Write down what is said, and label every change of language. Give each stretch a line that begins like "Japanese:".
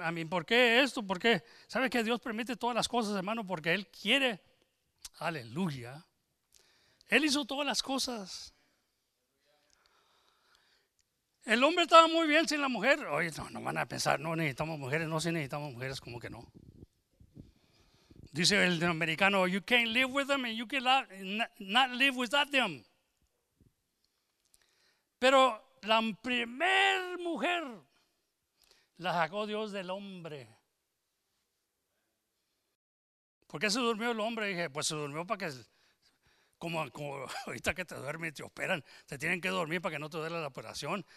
Spanish: A mí, ¿por qué esto? ¿Por qué? ¿Sabe que Dios permite todas las cosas, hermano? Porque Él quiere. Aleluya. Él hizo todas las cosas. El hombre estaba muy bien sin la mujer. Oye, no van a pensar, no necesitamos mujeres. No, si necesitamos mujeres, como que no. Dice el americano,
English: you can't live with them and you cannot not live without them.
Spanish: Pero la primer mujer la sacó Dios del hombre. ¿Por qué se durmió el hombre? Dije, pues se durmió para que, como ahorita que te duermen y te operan, te tienen que dormir para que no te duela la operación.